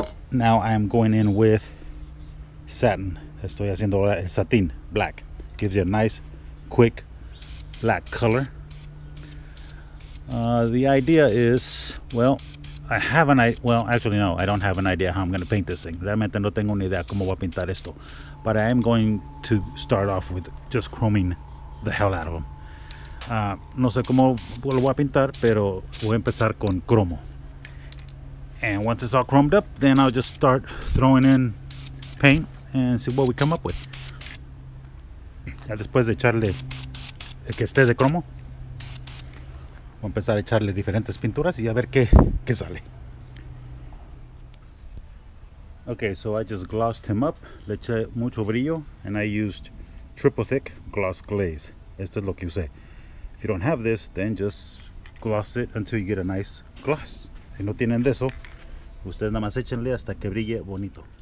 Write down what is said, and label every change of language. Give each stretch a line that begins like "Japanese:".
English: Now I am going in with satin. Estoy haciendo ahora el satin, black. Gives you a nice, quick, black color. The idea is, I don't have an idea how I'm going to paint this thing.
Spanish: Realmente no tengo ni idea cómo voy a pintar esto.
English: But I am going to start off with just chroming the hell out of them.
Spanish: No sé cómo lo voy a pintar, pero voy a empezar con cromo.
English: And once it's all chromed up, then I'll just start throwing in paint and see what we come up with.
Spanish: Ya después de echarle el que esté de cromo, voy a empezar a echarle diferentes pinturas y a ver qué sale.
English: Okay, so I just glossed him up. Le eché mucho brillo, and I used triple thick gloss glaze. Esto es lo que usé. If you don't have this, then just gloss it until you get a nice gloss.
Spanish: Si no tienen de eso, ustedes nada más échenle hasta que brille bonito.